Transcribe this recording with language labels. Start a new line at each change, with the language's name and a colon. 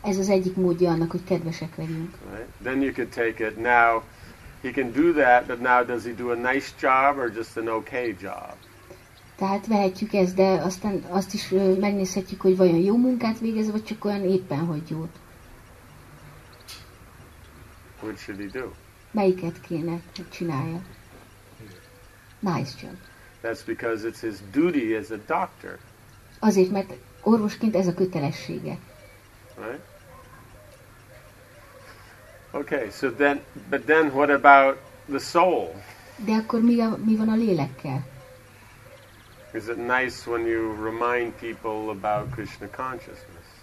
Hungarian: Ez az egyik módja annak, hogy kedvesek legyünk.
English: Right. Then you could take it. Now he can do that, but now does he do a nice job or just an okay job?
Hungarian: Tehát vehetjük ezt, de aztán azt is megnézhetjük, hogy vajon jó munkát végez, vagy csak olyan éppen, hogy jót.
English: What should he do?
Hungarian: Melyiket kéne, hogy csinálja?
English: Nice job. That's because it's his duty as a doctor.
Hungarian: Azért, mert orvosként ez a kötelessége.
English: Right? Okay, so then, but then what about the soul?
Hungarian: De akkor mi van a lélekkel?
English: Is it nice when you remind people about Krishna consciousness?